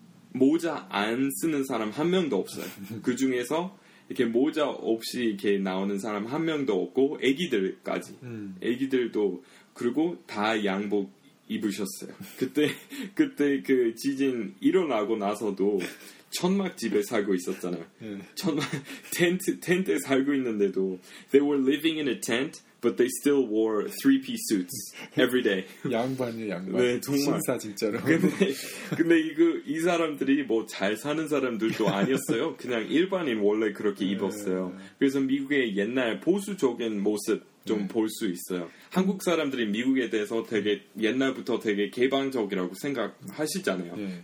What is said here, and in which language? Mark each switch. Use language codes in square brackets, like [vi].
[ko] 모자 안 쓰는 사람 한 명도 없어요. 그 중에서 이렇게 모자 없이 이렇게 나오는 사람 한 명도 없고 아기들까지 아기들도 그리고 다 양복 입으셨어요. 그때 그 지진 일어나고 나서도 천막 집에 살고 있었잖아요. 천막 텐트에 살고 있는데도 [en] they were living in a tent but they still wore three-piece suits every day. [ko] 양반이에요, 양반. 네, 정말. 신사 진짜로. 근데 이 사람들이 뭐 잘 사는 사람들도 아니었어요. 그냥 일반인 원래 그렇게 입었어요. 그래서 미국의 옛날 보수적인 모습 좀 볼 수 있어요. 한국 사람들이 미국에 대해서 되게 옛날부터 되게 개방적이라고 생각하시잖아요. 네.